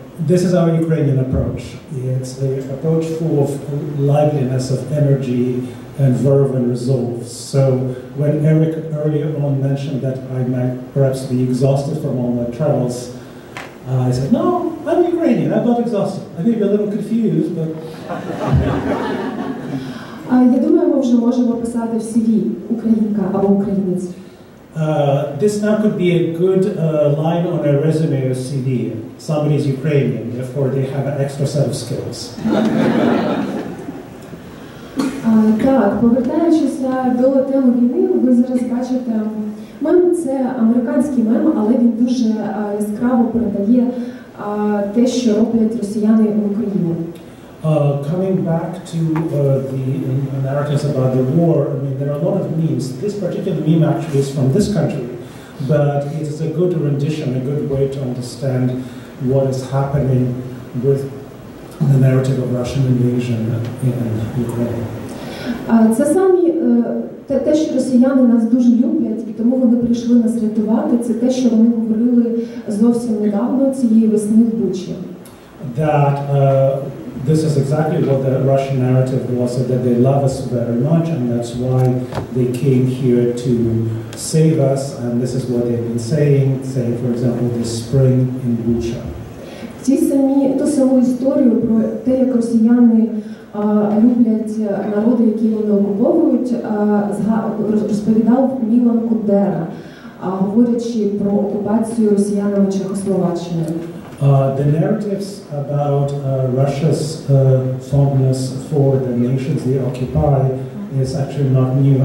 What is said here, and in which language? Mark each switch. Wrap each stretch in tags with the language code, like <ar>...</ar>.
<en>This is our Ukrainian approach. It's an approach full of liveliness, of energy, and verve and resolve. So when Eric earlier on mentioned that I might perhaps be exhausted from all my travels, I said, no, I'm Ukrainian, I'm not exhausted. I may be a little confused, but...</en> <uk>Я думаю, ми вже можемо писати в CV українка або українець.</uk> <en>This now could be a good line on a resume or CV. Somebody is Ukrainian, therefore they have an extra set of skills.</en> <uk>Так, повертаючися до теми війни, ви зараз бачите, мем – це американський мем, але він дуже яскраво передає те, що роблять росіяни в Україні.</uk> <en>Coming back to the narratives about the war, I mean, there are a lot of memes. This particular meme actually is from this country, but it is a good rendition, a good way to understand what is happening with the narrative of Russian invasion in Ukraine.</en> <uk>Це самі те, що росіяни нас дуже люблять, і тому вони прийшли нас рятувати, це те, що вони говорили зовсім недавно цієї весни в Бучі.</uk> <en>That this is exactly what the Russian narrative was, that they love us very much and that's why they came here to save us, and this is what they've been saying, say for example this spring in Bucha.</en> <uk>Ту саму історію про те, як росіяни люблять народи, які вони окуповують, розповідав Мілан Кундера, говорячи про окупацію росіянами Чехословаччини.</uk> <en>The narratives about Russia's fondness for the nations they occupy is actually not new.</en>